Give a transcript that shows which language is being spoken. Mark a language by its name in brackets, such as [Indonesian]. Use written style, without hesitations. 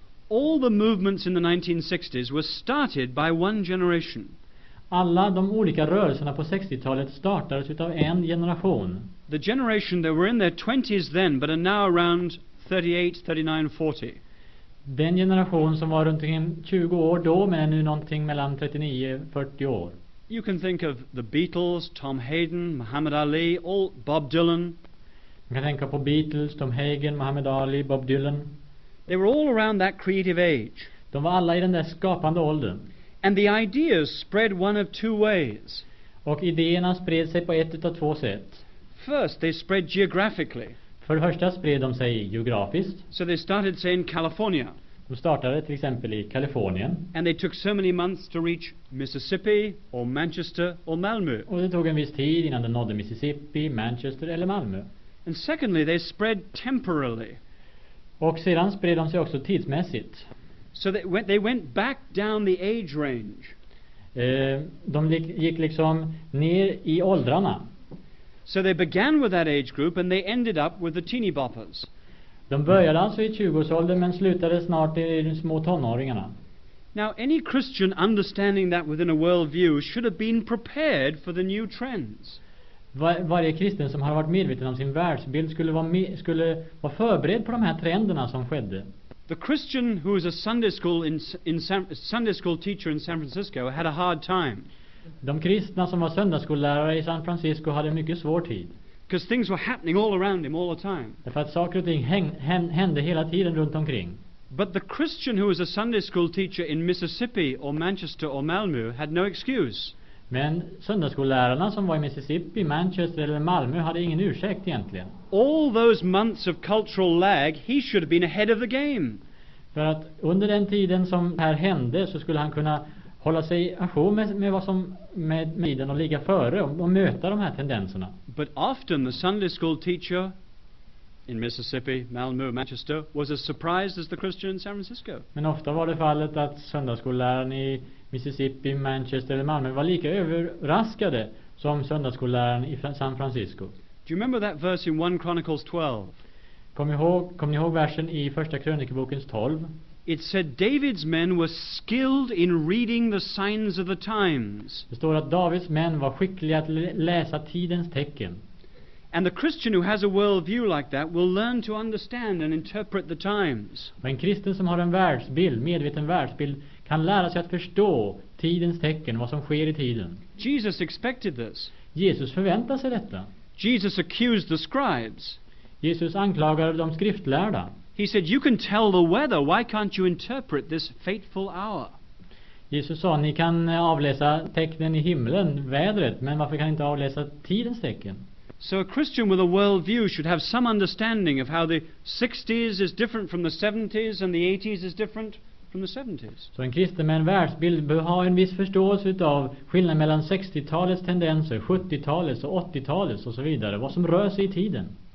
[English] All the movements in the 1960s were started by one generation. [Swedish] Alla de olika rörelserna på 60-talet startades utav en generation. [English] The generation that were in their 20s then but are now around 38, 39, 40. [Swedish] Den generation som var runt 20 år då, men är nu någonting mellan 39 och 40 år. [English] You can think of the Beatles, Tom Hayden, Muhammad Ali, all Bob Dylan. [Swedish] Man kan tänka på Beatles, Tom Hayden, Muhammad Ali, Bob Dylan. [English] They were all around that creative age. [Swedish] De var alla i den där skapande åldern. [English] And the ideas spread one of two ways. [Swedish] Och idéerna spred sig på ett utav två sätt. [English] First, they spread geographically. [Swedish] För det första spred de sig geografiskt. [English] So they started, say, in California. [Swedish] De startade till exempel i Kalifornien. [English] And they took so many months to reach Mississippi or Manchester or Malmö. [Swedish] Och det tog en viss tid innan de nådde Mississippi, Manchester eller Malmö. [English] And secondly, they spread temporally. [Swedish] Och sedan spred de sig också tidsmässigt. [English] So they went back down the age range. [Swedish] De gick liksom ner i åldrarna. [English] So they began with that age group and they ended up with the teeny boppers. [Swedish] De började alltså i 20-årsåldern men slutade snart i de små tonåringarna. [English] Now any Christian understanding that within a worldview should have been prepared for the new trends. [Swedish] Varje kristen som har varit medveten om sin världsbild skulle vara förberedd på de här trenderna som skedde. [English] The Christian who is a Sunday school teacher in San Francisco had a hard time. [Swedish] De kristna som var söndagsskollärare i San Francisco hade en mycket svår tid. [English] Because things were happening all around him all the time. [Swedish] För att saker och ting hände hela tiden runt omkring. [English] But the Christian who is a Sunday school teacher in Mississippi or Manchester or Malmö had no excuse. [Swedish] Men söndagsskollärarna som var i Mississippi, Manchester eller Malmö hade ingen ursäkt egentligen. [English] All those months of cultural lag, he should have been ahead of the game. [Swedish] För att under den tiden som här hände så skulle han kunna hålla sig ajour med vad som med tiden och ligga före och möta de här tendenserna. [English] But often the Sunday school teacher in Mississippi, Malmö, Manchester was as surprised as the Christian in San Francisco. [Swedish] Men ofta var det fallet att söndagsskolläraren i Mississippi, Manchester eller Malmö var lika överraskade som söndagsskolläraren i San Francisco. [English] Do you remember that verse in 1 Chronicles 12? [Swedish] Kom ihåg versen i första krönikebokens 12? [English] It said David's men were skilled in reading the signs of the times. [Swedish] Det står att Davids män var skickliga att läsa tidens tecken. [English] And the Christian who has a worldview like that will learn to understand and interpret the times. [Swedish] En kristen som har en världsbild, medveten världsbild, kan lära sig att förstå tidens tecken, vad som sker i tiden. [English] Jesus expected this. [Swedish] Jesus förväntade sig detta. [English] Jesus accused the scribes. [Swedish] Jesus anklagade de skriftlärda. [English] He said, "You can tell the weather. Why can't you interpret this fateful hour?" [Swedish] Jesus sa, "Ni kan avläsa tecknen i himlen, vädret, men varför kan ni inte avläsa tidens tecken?" [English] So a Christian with a worldview should have some understanding of how the 60s is different from the 70s and the 80s is different from the 70s. [Swedish] Så en kristen med en världsbild bör ha en viss förståelse av skillnaden mellan 60-talets tendenser, 70-talets och 80-talets och så vidare, vad som rör sig i tiden.